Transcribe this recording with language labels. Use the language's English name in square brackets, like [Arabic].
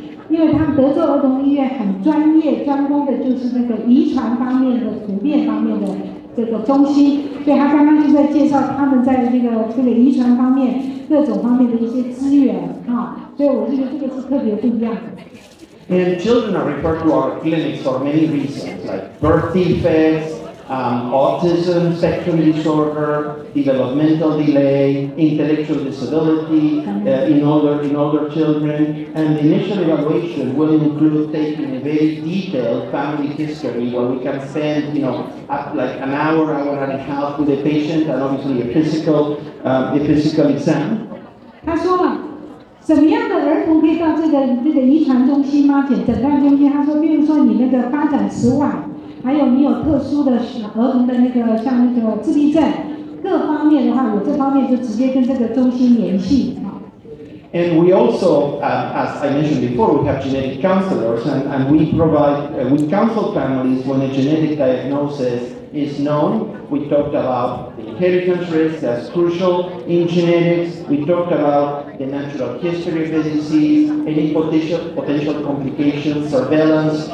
[Chinese] 因为他们德州儿童医院很专业，专攻的就是那个遗传方面的、突变方面的这个中心，所以他刚刚就在介绍他们在这个遗传方面各种方面的一些资源啊，所以我觉得这个是特别不一样的。 [English] And children are referred to our clinics for many reasons, like birth defects. Autism, sexual disorder, developmental delay, intellectual disability in older children, and the initial evaluation will include taking a very detailed family history where we can spend, you know, up like an hour, hour and a half with a patient and obviously a physical exam. [Chinese] 他说了，怎么样的儿童可以到这个遗传中心吗？诊断中心？他说，比如说你那个发展迟缓。还有你有特殊的儿童的那个像那个自闭症，各方面的话，我这方面就直接跟这个中心联系。 [English] And we also, as I mentioned before, we have genetic counselors, and we provide, we counsel families when a genetic diagnosis is known. We talked about the inheritance risk that's crucial in genetics. We talked about the natural history of the disease, any potential complications, surveillance.